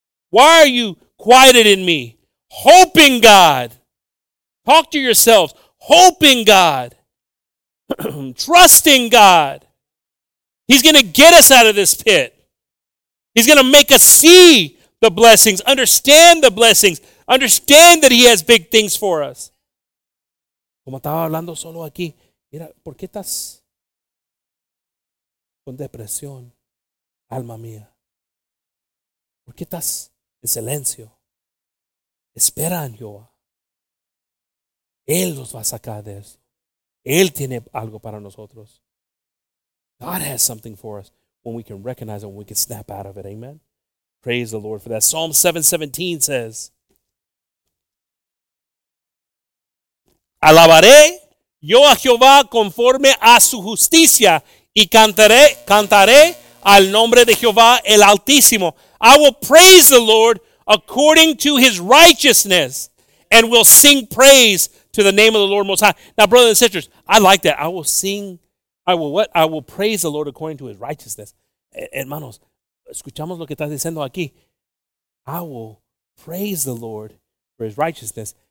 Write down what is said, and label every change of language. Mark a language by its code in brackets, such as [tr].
[en] Why are you quieted in me? Hope in God. Talk to yourselves. Hope in God. Trust in God. He's going to get us out of this pit. He's going to make us see the blessings, understand the blessings, understand that he has big things for us. [es] Como estaba hablando solo aquí, mira, ¿por qué estás con depresión, alma mía? ¿Por qué estás en silencio? Espera en Jehová. Él nos va a sacar de eso. Él tiene algo para nosotros. [en] God has something for us when we can recognize it, when we can snap out of it. Amen? Praise the Lord for that. Psalm 7:17 says, [es] Alabaré yo a Jehová conforme a su justicia y cantaré al nombre de Jehová el Altísimo. [en] I will praise the Lord according to his righteousness and will sing praise to the name of the Lord Most High. Now, brothers and sisters, I like that. I will sing, I will praise the Lord according to his righteousness. [es] Hermanos, escuchamos lo que estás diciendo aquí. [en] I will praise the Lord for his righteousness.